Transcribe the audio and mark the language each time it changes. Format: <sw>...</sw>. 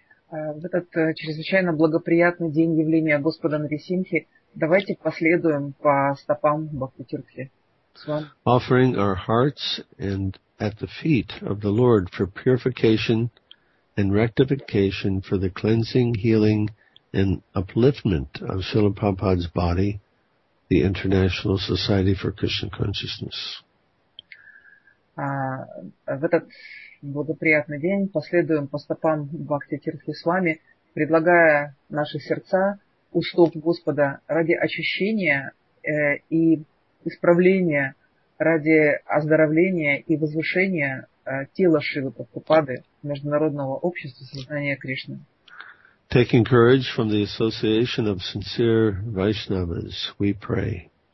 <ru>В этот чрезвычайно благоприятный день явления Господа Нрисимхи, давайте последуем по стопам Бхактитирты.</ru> <en>Offering our hearts and at the feet of the Lord for purification and rectification, for the cleansing, healing and upliftment of Srila Prabhupada's body, the International Society for Krishna Consciousness.</en> <ru>В этот благоприятный день последуем по стопам Бхактитирты с вами, предлагая наши сердца у стоп Господа ради очищения и исправления, ради оздоровления и возвышения тела Шивы Прабхупады, Международного общества сознания Кришны.</ru> <en>Taking courage from the association of sincere Vaishnavas, we pray.</en>